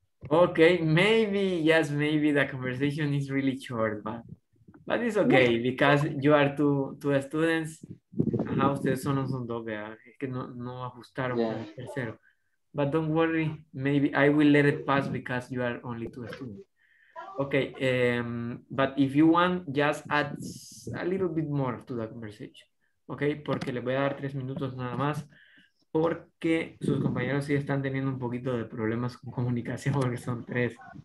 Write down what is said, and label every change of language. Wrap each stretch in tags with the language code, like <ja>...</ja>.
<en>Okay, maybe, yes, maybe the conversation is really short, but it's okay because you are two students.</en> <es>Ajá, ustedes son los dos, es que no ajustaron con el tercero.</es> <en>But don't worry, maybe I will let it pass because you are only two students. Okay, but if you want, just add a little bit more to the conversation.</en> <es>Okay, porque les voy a dar 3 minutos nada más, porque sus compañeros sí están teniendo un poquito de problemas con comunicación, porque son 3.</es>